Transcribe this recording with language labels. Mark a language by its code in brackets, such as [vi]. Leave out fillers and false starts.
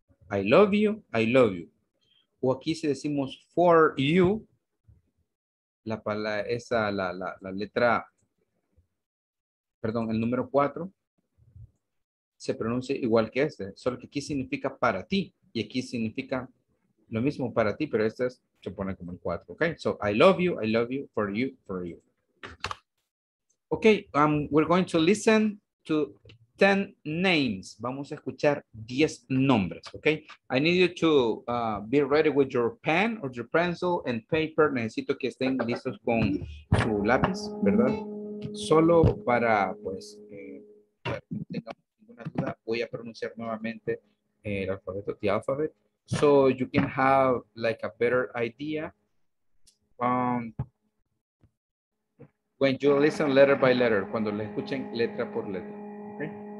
[en] I love you, I love you. [es] O aquí si decimos [en] for you, [es] el número 4, se pronuncia igual que este. Solo que aquí significa para ti. Y aquí significa lo mismo para ti, pero este es, se pone como el 4, ¿ok? [en] So, I love you, for you, for you. Ok, we're going to listen to 10 names. [es] Vamos a escuchar 10 nombres, [en] ¿ok? I need you to be ready with your pen or your pencil and paper. [es] Necesito que estén listos con su lápiz, ¿verdad? Solo para, pues, para que no tengamos ninguna duda, voy a pronunciar nuevamente el alfabeto, [en] the alphabet. So you can have like a better idea when you listen letter by letter, [es] cuando le escuchen letra por letra, [en] okay?